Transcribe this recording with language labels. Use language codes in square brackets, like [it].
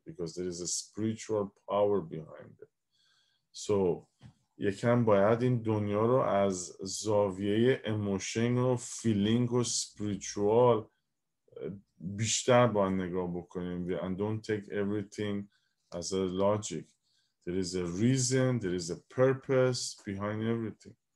[en] Because there is a spiritual power behind it. So [fa] یکم باید این دنیا رو از زاویه اموشن و فیلینگ و سپریچوال بیشتر با نگاه بکنیم. [en] And don't take everything as a logic. There is a reason, there is a purpose behind everything.